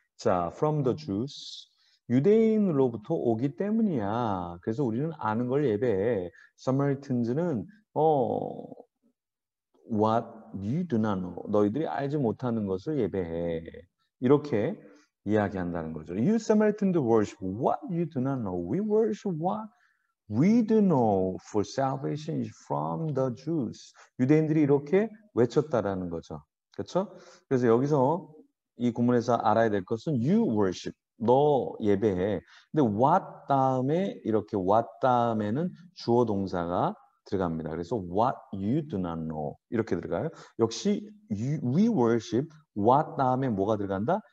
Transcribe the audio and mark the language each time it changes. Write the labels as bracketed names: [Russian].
[Korean] 자, [English] from the Jews. [Korean] 유대인으로부터 오기 때문이야. 그래서 우리는 아는 걸 예배해. [English] Samaritans는 what you do not know. [Korean] 너희들이 알지 못하는 것을 예배해. 이렇게 이야기한다는 거죠. [English] You Samaritans worship what you do not know. We worship what we do know for salvation is from the Jews. [Korean] 유대인들이 이렇게 외쳤다라는 거죠. 그렇죠? 그래서 여기서 이 구문에서 알아야 될 것은 [English] you worship. [Korean] 너 예배해. 근데 what 다음에 이렇게 what 다음에는 주어 동사가 들어갑니다. 그래서 [English] what you do not know [Korean] 이렇게 들어가요. 역시 [English] we worship what [Korean] 다음에 뭐가 들어간다?